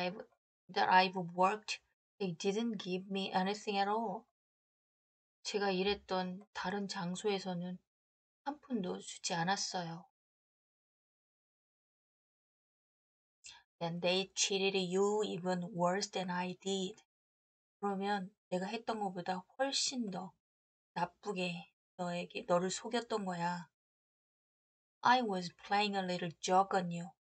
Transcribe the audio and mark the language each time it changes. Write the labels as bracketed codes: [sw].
[en] In the other places that I've worked, they didn't give me anything at all. [ko] 제가 일했던 다른 장소에서는 한 푼도 주지 않았어요. [en] Then they cheated you even worse than I did. [ko] 그러면 내가 했던 것보다 훨씬 더 나쁘게 너를 속였던 거야. [en] I was playing a little joke on you.